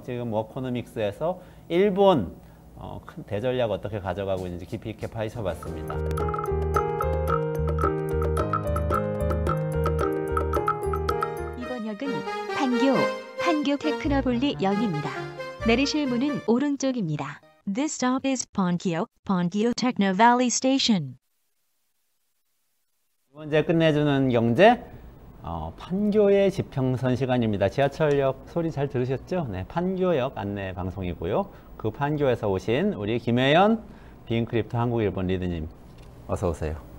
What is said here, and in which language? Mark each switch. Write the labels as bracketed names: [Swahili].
[Korean] 지금 워커노믹스에서 일본 큰 대전략 어떻게 가져가고 있는지 깊이 있게 파헤쳐봤습니다. 이번 역은 판교. 판교 테크노볼리 역입니다. 내리실 문은 오른쪽입니다. [English] This stop is Pankyo, Pankyo Techno Valley Station. [Korean] 이번 주에 끝내주는 경제 판교의 지평선 시간입니다. 지하철역 소리 잘 들으셨죠? 네, 판교역 안내 방송이고요. 그 판교에서 오신 우리 김혜연 빈크립토 한국 일본 리드님 어서 오세요.